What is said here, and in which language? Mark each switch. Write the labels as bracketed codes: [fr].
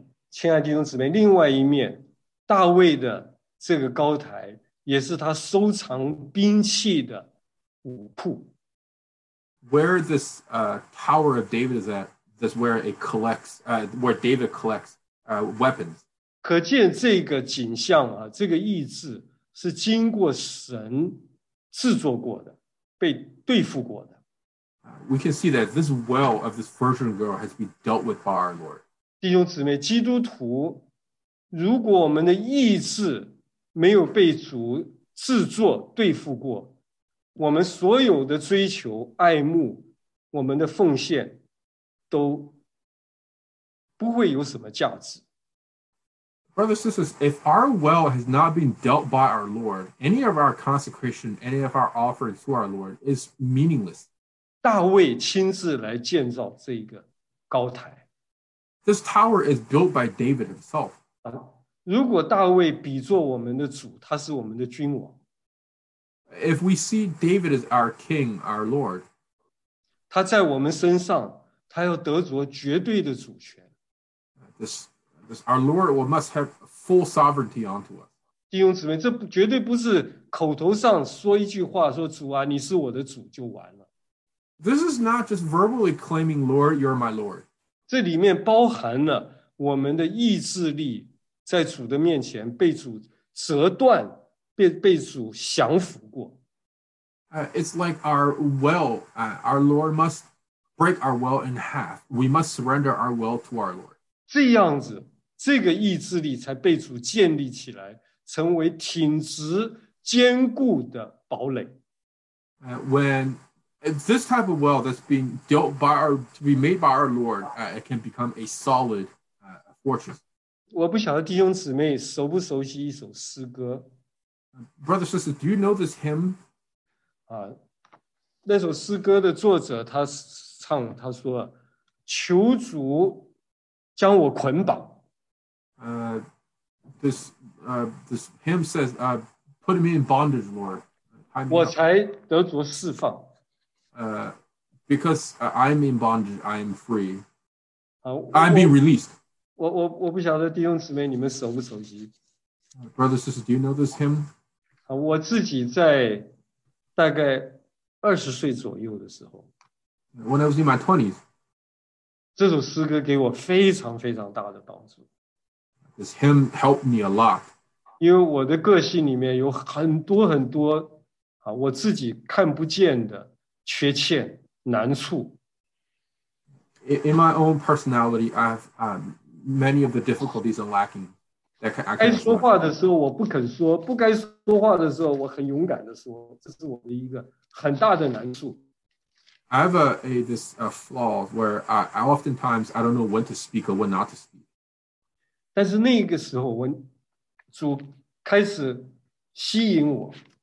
[zh] 亲爱的弟兄姊妹，另外一面，大卫的这个高台也是他收藏兵器的武库。 [en] Where this tower of David is at,That's where it collects, where David collects weapons. [zh] 可见这个景象啊，这个意志是经过神制作过的，被对付过的。 [en] We can see that this well of this virgin girl has been dealt with by our Lord. [zh] 弟兄姊妹，基督徒，如果我们的意志没有被主制作对付过，我们所有的追求、爱慕、我们的奉献。都不会有什么价值。 [en] Brothers and sisters, if our well has not been dealt by our Lord, any of our consecration, any of our offerings to our Lord is meaningless. [zh] 大卫亲自来建造这个高台。 [en] This tower is built by David himself. [zh] 如果大卫比作我们的主，他是我们的君王。 [en] If we see David as our king, our Lord, [zh] 他在我们身上他要得着绝对的主权。 [en] This our Lord will must have full sovereignty onto us. [zh] 弟兄姊妹，这绝对不是口头上说一句话，说主啊，你是我的主就完了。 [en] This is not just verbally claiming, Lord, you're my Lord. [zh] 这里面包含了我们的意志力在主的面前被主折断，被主降服过。 [en] It's like our will, our Lord must. Break our will in half. We must surrender our will to our Lord. [zh] 这样子，这个意志力才被主建立起来，成为挺直坚固的堡垒。 [en] When this type of will that's being dealt by our, to be made by our Lord, it can become a solid fortress. [zh] 我不晓得弟兄姊妹熟不熟悉一首诗歌。 [en] Brothers and sisters, do you know this hymn? [zh] 那首诗歌的作者他是。他说求主将我捆绑。 [en] This hymn says, put me in bondage, Lord. [zh] 我才得着释放。 [en] Because I'm in bondage, I'm free. I'm being released. [zh] 我不晓得弟兄姊妹你们熟不熟悉。 [en] Brothers, sisters, do you know this hymn? [zh] 我自己在大概20岁左右的时候。 [en] When I was in my 20s, [zh] 这首诗歌给我非常非常大的帮助。 [en] This hymn helped me a lot. [zh] 因为我的个性里面有很多很多我自己看不见的缺陷难处。 [en] In my own personality, I have many of the difficulties and lacking. [zh] 该说话的时候我不肯说，不该说话的时候我很勇敢的说，这是我的一个很大的难处。 [en] I have a flaw where I oftentimes I don't know when to speak or when not to speak. [zh] 但是那个时候，主开始吸引我。